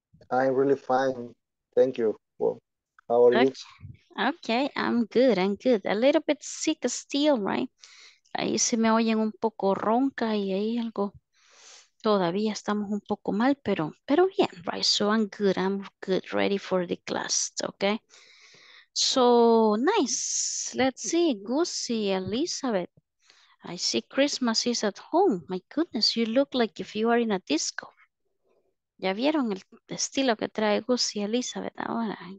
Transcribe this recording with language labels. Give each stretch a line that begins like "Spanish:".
English: I'm really fine. Thank you. Well, how are Okay. you? Okay, I'm good, I'm good. A little bit sick still, right?
Spanish: Ahí se me oyen un poco ronca y ahí algo. Todavía estamos un poco mal, pero bien, right?
English: So I'm good, ready for the class, okay? So nice. Let's see, Gussie, Elizabeth. I see Christmas is at home. My goodness, you look like if you are in a disco.
Spanish: ¿Ya vieron el estilo que trae Gussie y Elizabeth ahora?